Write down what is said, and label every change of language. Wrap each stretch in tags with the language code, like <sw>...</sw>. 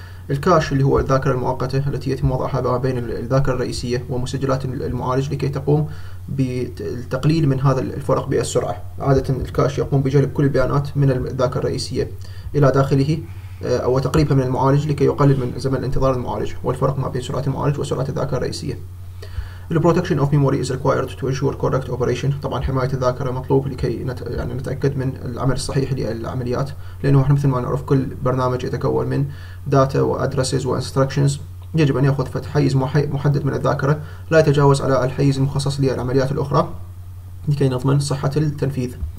<ar>الكاش اللي هو الذاكرة المؤقتة التي يتم وضعها ما بين الذاكرة الرئيسية ومسجلات المعالج لكي تقوم بالتقليل من هذا الفرق بالسرعة. عادة الكاش يقوم بجلب كل البيانات من الذاكرة الرئيسية إلى داخله أو تقريبها من المعالج لكي يقلل من زمن الانتظار المعالج والفرق ما بين سرعة المعالج وسرعة الذاكرة الرئيسية.</ar> <en>The protection of memory is required to ensure correct operation.</en> <ar>طبعا حماية الذاكرة مطلوب لكي يعني نتأكد من العمل الصحيح للعمليات، لأنه احنا مثل ما نعرف كل برنامج يتكون من data وaddresses وinstructions، يجب أن يأخذ فتح حيز محدد من الذاكرة لا يتجاوز على الحيز المخصص للعمليات الأخرى لكي نضمن صحة التنفيذ.</ar>